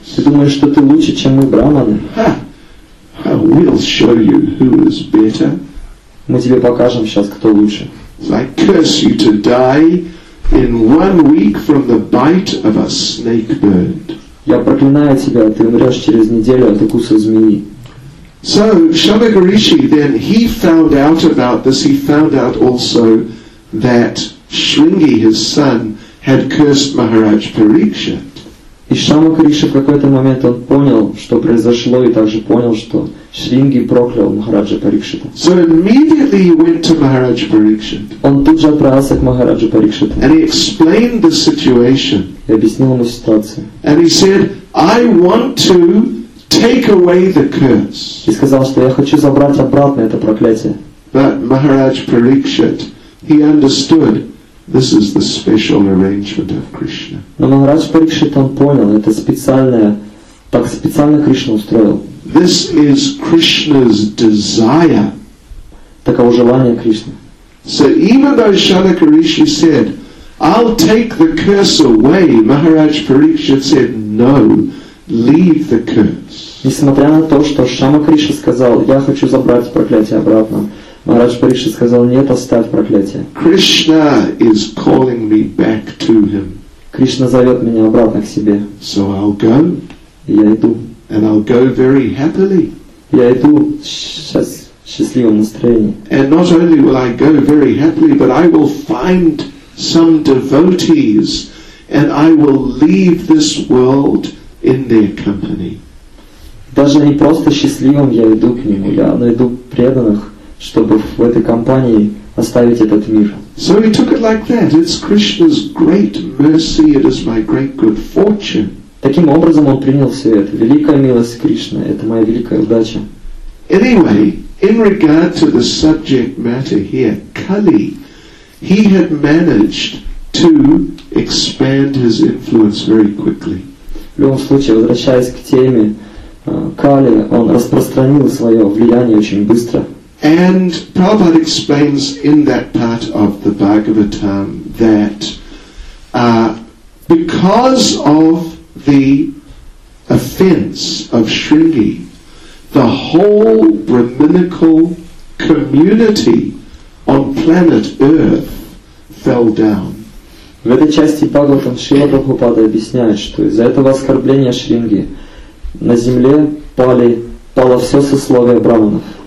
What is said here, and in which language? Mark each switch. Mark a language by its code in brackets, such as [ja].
[ru] Ты думаешь, что ты лучше, чем мы, Брахманы? Ha! [en] We'll show you who is better. [ru] Мы тебе покажем сейчас, кто лучше. [en] I curse you to die in 1 week from the bite of a snake bird. [ru] Я проклинаю тебя, ты умрешь через неделю от укуса змеи. [en] So Shambhaka Rishi then he found out about this. He found out also that Шринги, his son, had cursed Maharaj Parikshit. [ru] И Шамака Риши в какой-то момент он понял, что произошло, и также понял, что Шринги проклял Махараджа Парикшита. [en] So immediately he went to Maharaj Parikshit. [ru] Он тут же отправился к Махараджу Парикшиту. [en] And he explained the situation. [ru] И объяснил ему ситуацию. [en] And he said, I want to take away the curse. [ru] И сказал, что я хочу забрать обратно это проклятие. [en] But Maharaj Parikshit, he understood, this is the special arrangement of Krishna. [ru] Но Махарадж Парикшит он понял, это специальное, так специально Кришна устроил. [en] This is Krishna's desire. [ru] Таково желание Кришны. [en] So even though Shanaka Rishi said, I'll take the curse away, Maharaj Parikshit said, no, leave the curse. [ru] Несмотря на то, что Шанака Риши сказал, я хочу забрать проклятие обратно, Махарадж Парикшит сказал, нет, оставь проклятие. [en] Krishna is calling me back to him. [ru] Кришна зовет меня обратно к себе. [en] So I'll go. [ru] Я иду. [en] And I'll go very happily. [ru] Я иду сейчас в счастливом настроении. [en] And not only will I go very happily, but I will find some devotees, and I will leave this world in their company. [ru] Даже не просто счастливым я иду к нему, я найду преданных, чтобы в этой компании оставить этот мир. [en] So he took it like that. It's Krishna's great mercy. It is my great good fortune. [ru] Таким образом он принял все это. Великая милость Кришны, это моя великая удача. [en] Anyway, in regard to the subject matter here, Kali, he had managed to expand his influence very quickly. [ru] В любом случае, возвращаясь к теме, Кали, он распространил свое влияние очень быстро. [en] And Prabhupada explains in that part of the Bhagavatam that because of the offense of Shringi, the whole Brahminical community on planet Earth fell down. [ru] В этой части Бхагаватам Шрила Прабхупада объясняет, что из-за этого оскорбления Шринги на земле пало все сословие брахманов.